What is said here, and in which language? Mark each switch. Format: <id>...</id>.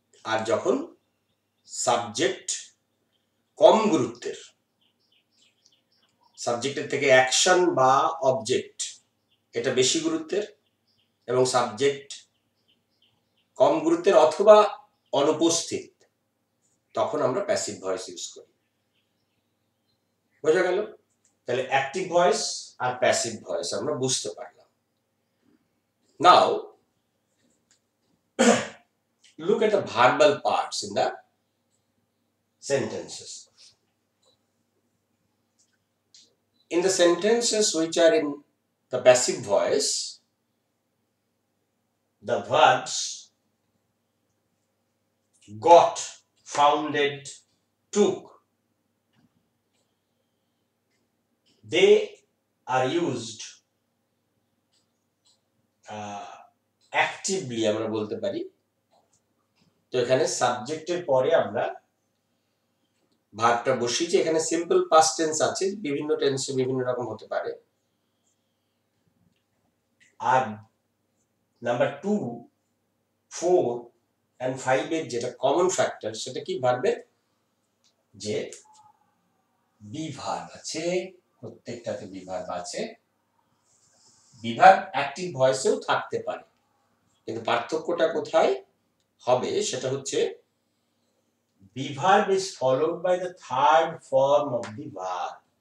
<bn>আর যখন সাবজেক্ট কম গুরুত্বের, সাবজেক্টের থেকে অ্যাকশন বা অবজেক্ট এটা বেশি গুরুত্বের, এবং সাবজেক্ট কম গুরুত্বের অথবা অনুপস্থিত, তখন আমরা প্যাসিভ ভয়েস ইউজ করি. বোঝা গেল? তাহলে অ্যাক্টিভ ভয়েস আর প্যাসিভ ভয়েস আমরা বুঝতে পারলাম.</bn> <en>Now look at the verbal parts in the sentences. In the sentences which are in the passive voice, the verbs got, founded, took, they are used actively.</en> <bn>আমরা বলতে পারি তো এখানে সাবজেক্টের পরে আমরা ভাবটা বসি যে এখানে সিম্পল পাস্ট টেন্স আছে, বিভিন্ন টেন্সে বিভিন্ন রকম হতে পারে. আর number two, four and five এর যেটা কমন ফ্যাক্টর সেটা কি ভাববে, যে বিভাগ আছে, প্রত্যেকটাতে বিভাগ আছে. বিভাগ অ্যাক্টিভ ভয়েসেও থাকতে পারে, কিন্তু পার্থক্যটা কোথায় হবে সেটা হচ্ছে</bn> <en>V-verb is followed by the third form of the verb.</en>